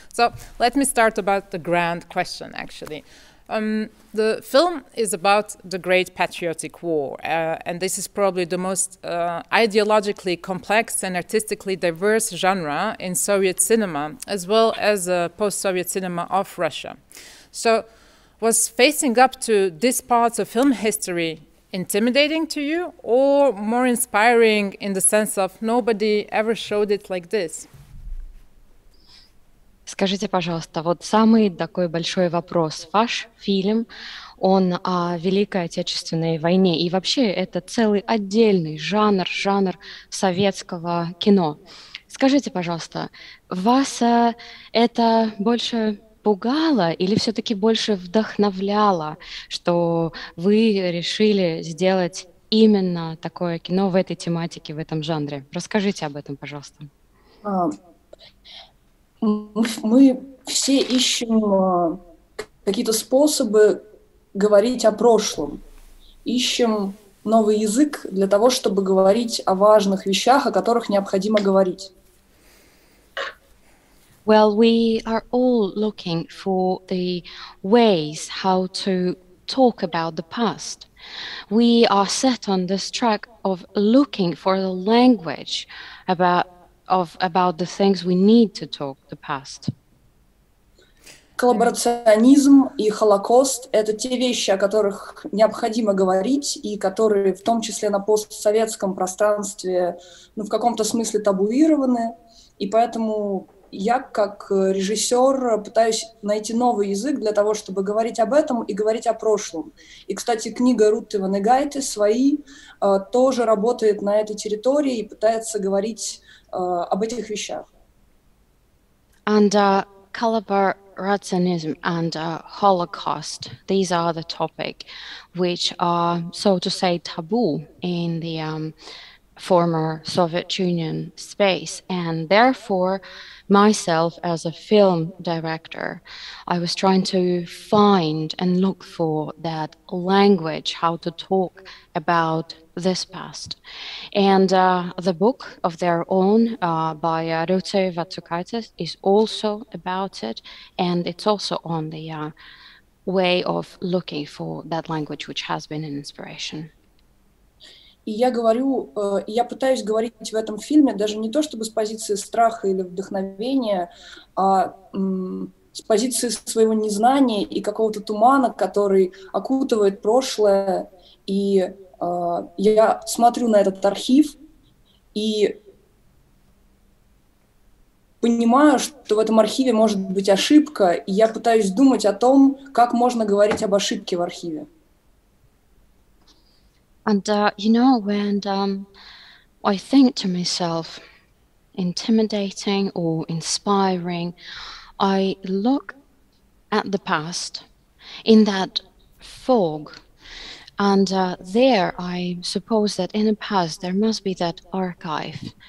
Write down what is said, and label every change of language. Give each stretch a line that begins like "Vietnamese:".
English: So let me start about the grand question, actually. The film is about the Great Patriotic War, and this is probably the most ideologically complex and artistically diverse genre in Soviet cinema, as well as post-Soviet cinema of Russia. So was facing up to this part of film history intimidating to you, or more inspiring in the sense of nobody ever showed it like this?
Russian: Скажите, пожалуйста, вот самый такой большой вопрос. Ваш фильм, он о Великой Отечественной войне. И вообще это целый отдельный жанр, жанр советского кино. Скажите, пожалуйста, вас это больше пугало или все-таки больше вдохновляло, что вы решили сделать именно такое кино в этой тематике, в этом жанре? Расскажите об этом, пожалуйста. Мы все ищем какие-то способы говорить о прошлом, ищем новый язык для того, чтобы говорить о важных вещах, о которых необходимо говорить.
English: Well, we are all looking for the ways how to talk about the past. We are set on this track of looking for the language about the things we need to talk the past.
Russian: Коллаборационизм и Холокост — это те вещи, о которых необходимо говорить, и которые в том числе на постсоветском пространстве, ну, в каком-то смысле табуированы, и поэтому я как режиссер пытаюсь найти новый язык для того, чтобы говорить об этом и говорить о прошлом. И, кстати, книга Рутты Ванегайте «Свои» тоже работает на этой территории и пытается говорить об этих вещах.
English: And collaborationism and Holocaust, these are the topic which are, so to say, taboo in the former Soviet Union space, and therefore myself as a film director, I was trying to find and look for that language, how to talk about this past. And the book of their own by Rutte Vatsukaitis is also about it, and it's also on the way of looking for that language which has been an inspiration.
Russian: И я говорю, я пытаюсь говорить в этом фильме даже не то, чтобы с позиции страха или вдохновения, а с позиции своего незнания и какого-то тумана, который окутывает прошлое. И я смотрю на этот архив и понимаю, что в этом архиве может быть ошибка, и я пытаюсь думать о том, как можно говорить об ошибке в архиве.
English: And, you know, when I think to myself, intimidating or inspiring, I look at the past in that fog. And there, I suppose that in the past, there must be that archive.